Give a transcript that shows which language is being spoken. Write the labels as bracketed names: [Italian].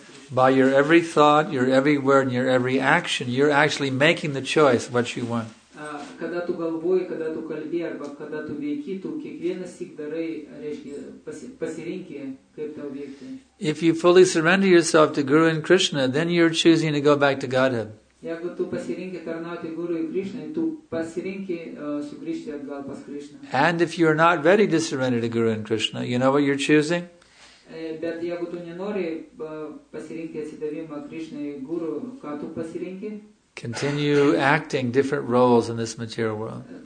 [English] By your every thought, your every word, and your every action, you're actually making the choice what you want. [Lithuanian] Kada tu galvoji, kada tu kalbi, arba kada tu veiki, tu kiekvieną sik darai, reiškia, pasirinki, kaip tau veikti. [English] If you fully surrender yourself to Guru and Krishna, then you're choosing to go back to Godhead. [Lithuanian] Jeigu tu pasirinki tarnauti Guru ir Krishna, tu pasirinki sugrįžti atgal pas Krishna. [English] And if you're not ready to surrender to Guru and Krishna, you know what you're choosing? [Lithuanian] Bet jeigu tu nenori pasirinki atsidavimą Krishna ir Guru, ką tu pasirinki? [English] Continue acting different roles in this material world.